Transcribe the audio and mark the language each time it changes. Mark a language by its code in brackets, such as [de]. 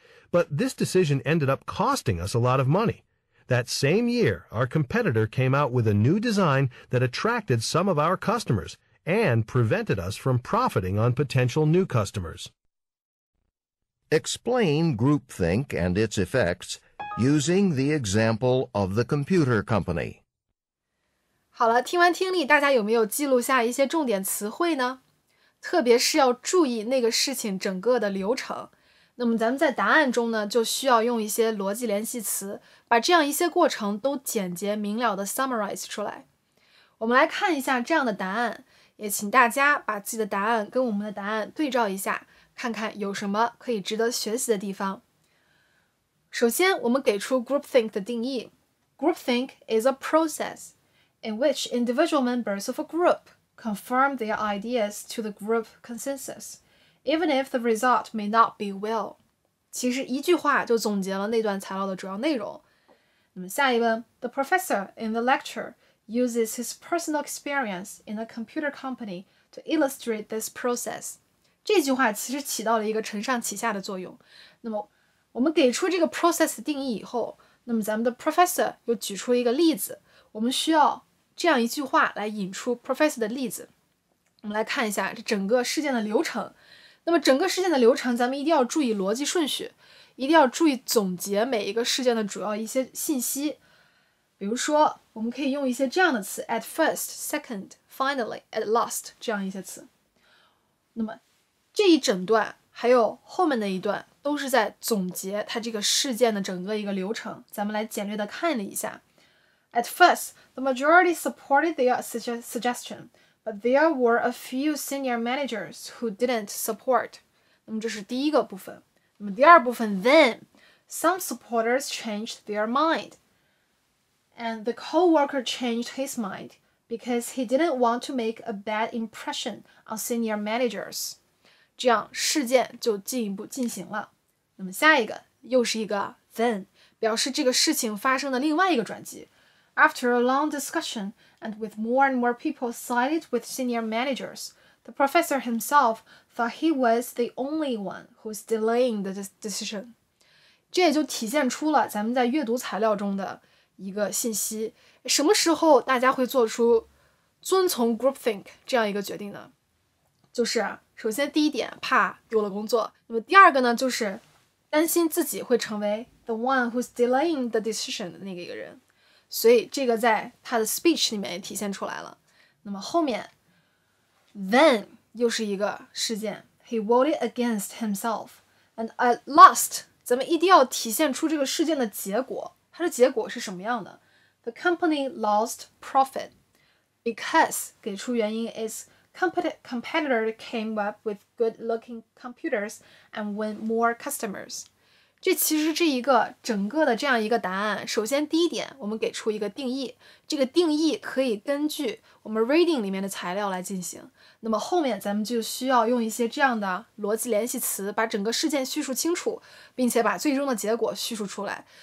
[en] But this decision ended up costing us a lot of money. That same year, our competitor came out with a new design that attracted some of our customers,and prevented us from profiting on potential new customers. Explain groupthink and its effects using the example of the computer company. [zh] 好了，听完听力，大家有没有记录下一些重点词汇呢？特别是要注意那个事情整个的流程。那么咱们在答案中呢，就需要用一些逻辑联系词，把这样一些过程都简洁明了的 summarize 出来。我们来看一下这样的答案，也请大家把自己的答案跟我们的答案对照一下，看看有什么可以值得学习的地方。首先，我们给出 groupthink 的定义。 [en] Groupthink is a process in which individual members of a group confirm their ideas to the group consensus, even if the result may not be well. [zh] 其实一句话就总结了那段材料的主要内容。那么下一个， [en] The professor in the lectureuses his personal experience in a computer company to illustrate this process. [zh] 这句话其实起到了一个承上启下的作用。那么我们给出这个 process 定义以后，那么咱们的 professor 又举出一个例子，我们需要这样一句话来引出 professor 的例子。我们来看一下这整个事件的流程。那么整个事件的流程，咱们一定要注意逻辑顺序，一定要注意总结每一个事件的主要一些信息。比如说，我们可以用一些这样的词 ：at first, second, finally, at last 这样一些词。那么，这一整段还有后面的一段都是在总结它这个事件的整个一个流程。咱们来简略的看了一下 [en] ：at first, the majority supported their suggestion, but there were a few senior managers who didn't support. [zh] 那么这是第一个部分。那么第二部分 ， [en] then some supporters changed their mind. And the co-worker changed his mind because he didn't want to make a bad impression on senior managers. [zh] 这样事件就进一步进行了。那么下一个又是一个 then， 表示这个事情发生的另外一个转机。 [en] After a long discussion and with more and more people sided with senior managers, the professor himself thought he was the only one who's delaying the decision. [zh] 这也就体现出了咱们在阅读材料中的一个信息，什么时候大家会做出遵从 groupthink 这样一个决定呢？就是首先第一点，怕丢了工作。那么第二个呢，就是担心自己会成为 [en] the one who's delaying the decision [zh] 的那个一个人。所以这个在他的 speech 里面也体现出来了。那么后面 then 又是一个事件， [en] he voted against himself and at last， [zh] 咱们一定要体现出这个事件的结果。它的结果是什么样的？ [en] The company lost profit because [zh] 给出原因 [en] is competitor came up with good looking computers and win more customers. [zh] 这其实这一个整个的这样一个答案，首先第一点我们给出一个定义，这个定义可以根据我们 reading 里面的材料来进行。那么后面咱们就需要用一些这样的逻辑联系词把整个事件叙述清楚，并且把最终的结果叙述出来。